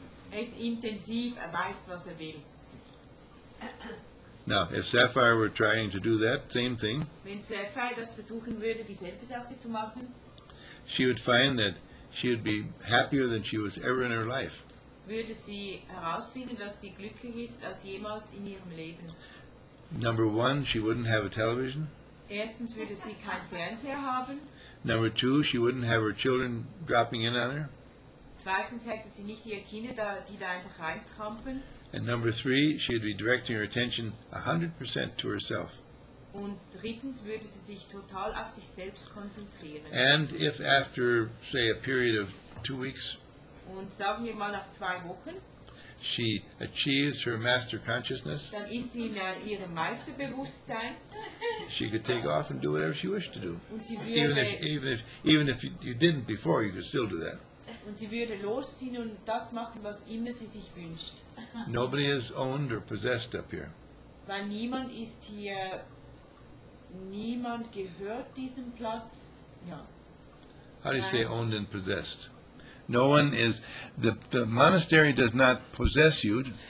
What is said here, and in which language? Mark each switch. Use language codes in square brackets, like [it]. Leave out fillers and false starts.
[de] Er ist intensiv, er weiß, was er will. [en] Now, if Sapphire were trying to do that, same thing. [de] Wenn Sapphire das versuchen würde, dieselbe Sache zu machen, [en] she would find that she would be happier than she was ever in her life. [de] Würde sie herausfinden, dass sie glücklich ist als jemals in ihrem Leben. [en] Number one, she wouldn't have a television. [de] Erstens würde sie kein Fernseher haben. [en] Number two, she wouldn't have her children dropping in on her. [de] Zweitens hätte sie nicht ihre Kinder, die da einfach reintrampeln. [en] And number three, she'd be directing her attention 100% to herself. [de] Und drittens würde sie sich total auf sich selbst konzentrieren. [en] And if after, say, a period of 2 weeks, [de] und sagen wir mal nach 2 Wochen, [en] she achieves her master consciousness, [de] dann ist sie in ihrem Meisterbewusstsein. [en] She could take off and do whatever she wished to do. [de] Und sie würde [en] even if you didn't before, you could still do that. [de] Und sie würde losziehen und das machen, was immer sie sich wünscht. [en] Nobody is owned or possessed up here. [de] Weil niemand ist hier, niemand gehört diesem Platz. Ja. [en] How do you say owned and possessed? No one is, the monastery does not possess you.